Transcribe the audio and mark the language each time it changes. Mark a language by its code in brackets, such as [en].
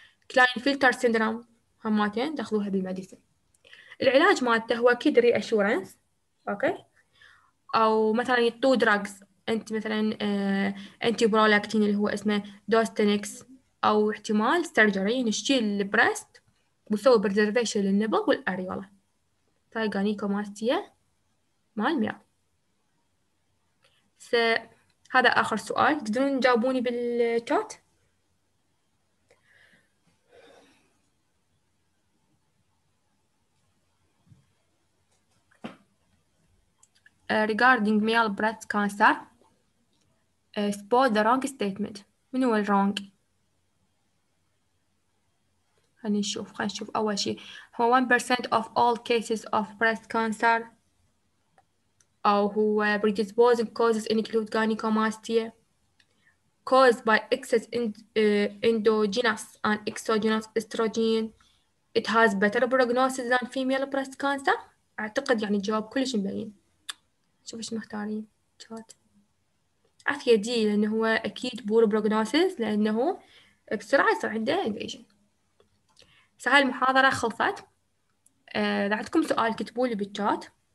[ar] كلاين فلتر سيندروم همتين تاخذوها بالميديسن. العلاج مالته هو اكيد ري اشورنس، اوكي، او مثلا يطو دراجز انت مثلا انتي برولاكتين اللي هو اسمه دوستينكس، او احتمال سيرجري نشيل البريست ونسوي بريزرفيشن للنبض والاريولا. طيب جاينيكوماستيا مال ميا. هذا اخر سؤال، تقدرون تجاوبوني بالشات؟ [en] regarding male breast cancer spot the wrong statement. [ar] من هو الرونج؟ خلينا نشوف اول شيء هو [en] 1% of all cases of breast cancer [ar] او هو [en] predisposing causes include gynecomastia caused by excess endogenous and exogenous estrogen it has better prognosis than female breast cancer. [ar] اعتقد يعني الجواب كلش مبين. شوف ايش مختارين شات عافية دي، لانه هو اكيد بور بروجنوسيس لانه بسرعة يصير عنده انفيجن. هاي المحاضرة خلصت، اذا عندكم سؤال كتبوا لي بالشات.